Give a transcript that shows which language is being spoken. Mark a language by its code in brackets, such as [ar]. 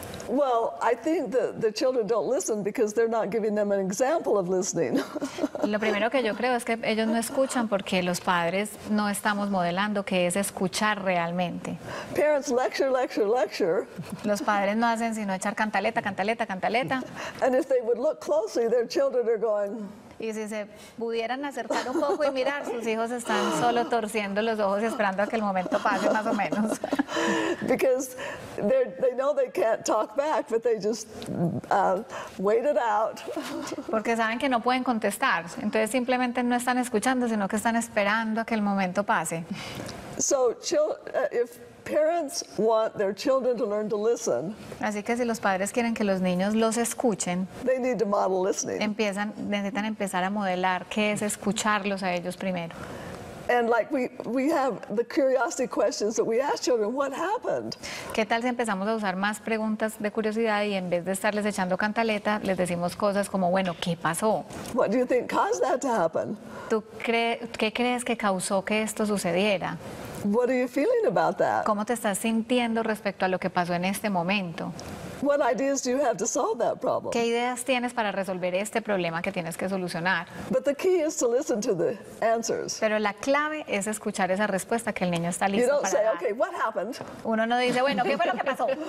[en] Well, I think that the children don't listen because they're not giving them an example of listening. [es] Lo primero que yo creo es que ellos no escuchan porque los padres no estamos modelando qué es escuchar realmente. [en] Parents lecture, lecture, lecture. [es] Los padres no hacen sino echar cantaleta, cantaleta, cantaleta. [en] And if they would look closely, their children are going. [es] Y si se pudieran acercar un poco y mirar, sus hijos están solo torciendo los ojos y esperando a que el momento pase más o menos. [en] Because they know they can't talk back, but they just wait it out. [es] Porque saben que no pueden contestar, entonces simplemente no están escuchando, sino que están esperando a que el momento pase. [en] So if parents want their children to learn to listen. [es] Así que si los padres quieren que los niños los escuchen, [en] they need to model listening. [es] Necesitan empezar a modelar qué es escucharlos a ellos primero. [en] And like we have the curiosity questions that we ask children, what happened? [es] ¿Qué tal si empezamos a usar más preguntas de curiosidad y en vez de estarles echando cantaleta, les decimos cosas como, bueno, ¿qué pasó? [en] What do you think caused that to happen? [es] ¿Qué crees que causó que esto sucediera? [en] What are you feeling about that? [es] ¿Cómo te estás sintiendo respecto a lo que pasó en este momento? [en] What ideas do you have to solve that problem? [es] ¿Qué ideas tienes para resolver este problema que tienes que solucionar? [en] But the key is to listen to the answers. [es] Pero la clave es escuchar esa respuesta que el niño está listo para dar. [en] You don't say, okay, what happened? [es] Uno no dice, bueno, ¿qué fue lo que pasó?